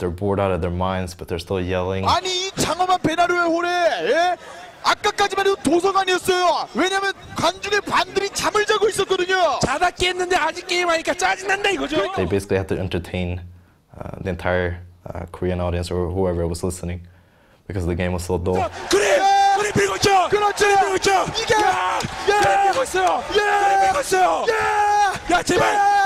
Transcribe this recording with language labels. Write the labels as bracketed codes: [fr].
[en] They're bored out of their minds, but they're still yelling. [ko] 아니, 이 장엄한 배나루의 홀에 예? 아까까지만 해도 도서관이었어요. 왜냐면 관중의 반들이 잠을 자고 있었거든요. 자다 깼는데 아직 게임하니까 짜증난다 이거죠. [en] They basically had to entertain the entire Korean audience or whoever was listening because the game was so dull. [ko] 그래. 그래 빌고 있죠. 그렇죠. 빌고 있죠. 이게 예. 그래 빌고 있어요. 예. 그래 빌고 있어요. 예. 야, 제발.